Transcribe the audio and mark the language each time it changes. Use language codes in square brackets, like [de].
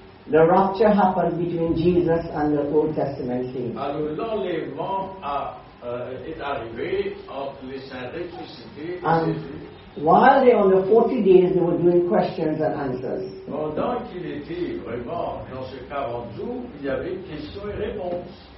[en] The rapture happened between Jesus and the Old Testament king. [fr] Alors, l'enlèvement est arrivé entre les saints ressuscités et Jésus. [en] While they on the 40 days, they were doing questions and answers. [fr] Pendant qu'il était vraiment dans ce 40 jours, il y avait questions et réponses.